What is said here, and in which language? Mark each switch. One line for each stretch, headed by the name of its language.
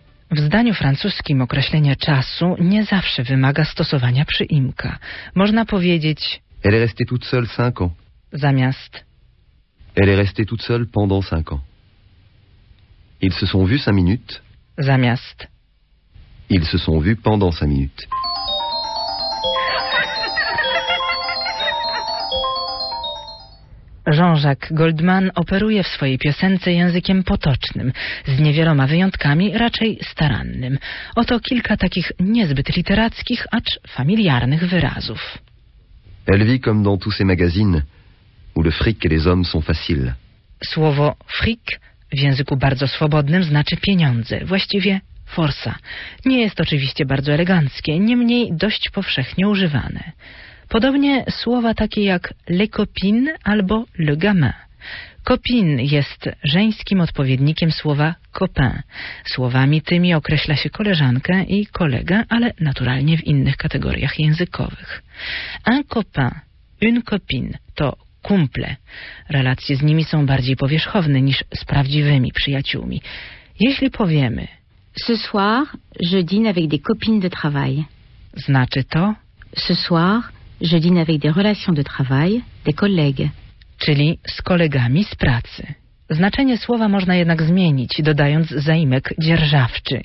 Polish: W zdaniu francuskim określenie czasu nie zawsze wymaga stosowania przyimka. Można powiedzieć
French: Elle est restée toute seule cinq ans.
Polish: Zamiast
French: Elle est restée toute seule pendant cinq ans. Ils se sont vus cinq minutes.
Polish: Zamiast
French: Ils se sont vus pendant cinq minutes.
Polish: Jean-Jacques Goldman operuje w swojej piosence językiem potocznym, z niewieloma wyjątkami, raczej starannym. Oto kilka takich niezbyt literackich, acz familiarnych wyrazów.
French: Elle vit comme dans tous ces magazines, où le fric et les hommes sont faciles.
Polish: Słowo fric w języku bardzo swobodnym znaczy pieniądze, właściwie forsa. Nie jest oczywiście bardzo eleganckie, niemniej dość powszechnie używane. Podobnie słowa takie jak les copines albo le gamin. Copine jest żeńskim odpowiednikiem słowa copain. Słowami tymi określa się koleżankę i kolegę, ale naturalnie w innych kategoriach językowych.
French: Un copain, une copine
Polish: to kumple. Relacje z nimi są bardziej powierzchowne niż z prawdziwymi przyjaciółmi. Jeśli powiemy
French: Ce soir, je dîne avec des copines de travail.
Polish: Znaczy to
French: Ce soir, je dîne avec des relations de travail, des collègues.
Polish: Czyli z kolegami z pracy. Znaczenie słowa można jednak zmienić, dodając zaimek dzierżawczy.